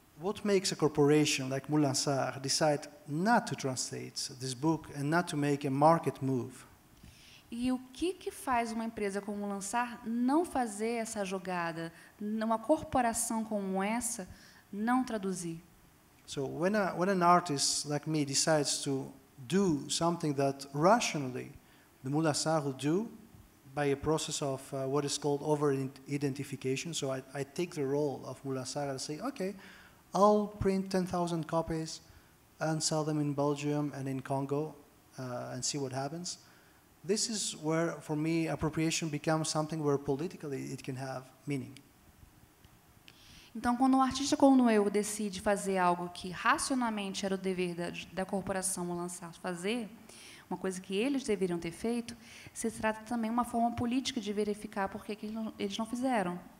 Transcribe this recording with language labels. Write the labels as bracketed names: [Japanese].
[English] What makes a corporation like Moulin Sarr decide not to translate this book and not to make a market move? [Portuguese] E o que faz uma empresa como Moulin Sarr não fazer essa jogada, numa corporação como essa, não traduzir? [English] So when an artist like me decides to do something that rationally the Moulin Sarr will do by a process of what is called over-identification. So I take the role of Moulin Sarr and say, okay, I'll print 10,000 copies and sell them in Belgium and in Congo and see what happens. This is where, for me, appropriation becomes something where politically it can have meaning. [Portuguese] Então, quando um artista como eu decide fazer algo que racionalmente era o dever da corporação Moulin Sarr fazer, uma coisa que eles deveriam ter feito, se trata também de uma forma política de verificar por que eles não fizeram.